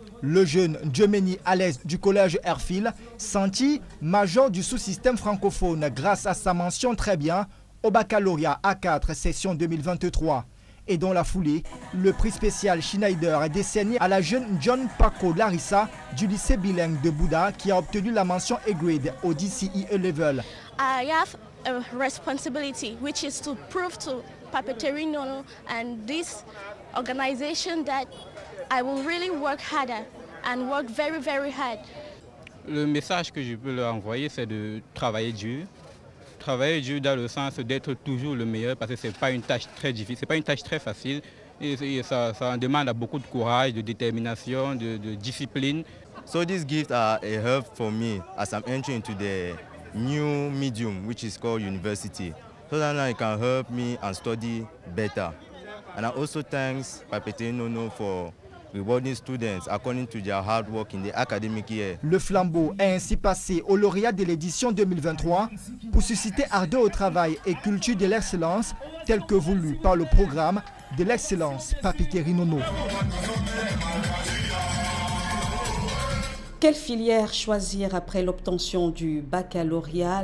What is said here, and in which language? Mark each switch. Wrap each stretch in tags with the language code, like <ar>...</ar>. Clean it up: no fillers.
<fr>Le jeune Djemeni Alès du collège Airfil, senti major du sous-système francophone grâce à sa mention très bien au baccalauréat A4 session 2023. Et dans la foulée, le prix spécial Schneider est décerné à la jeune John Paco Larissa du lycée bilingue de Bouda qui a obtenu la mention A-grade au DCE A-level.</fr> <en>A responsibility, which is to prove to Papeterie Nono and this organization that I will really work harder and work very very hard.</en> <fr>Le message que je peux leur envoyer, c'est de travailler dur. Travailler dur dans le sens d'être toujours le meilleur, parce que ce n'est pas une tâche très difficile, ce n'est pas une tâche très facile. Et ça en demande beaucoup de courage, de détermination, de discipline.</fr> <en>So this gift are a help for me as I'm entering into the new medium, which is called university. So that now it can help me and study better. And I also thanks Papete Nono for rewarding students according to their hard work in the academic year.</en> <fr>Le flambeau est ainsi passé au lauréat de l'édition 2023 pour susciter ardeur au travail et culture de l'excellence tel que voulu par le programme de l'excellence Papeterie Nono. Quelle filière choisir après l'obtention du baccalauréat?</fr>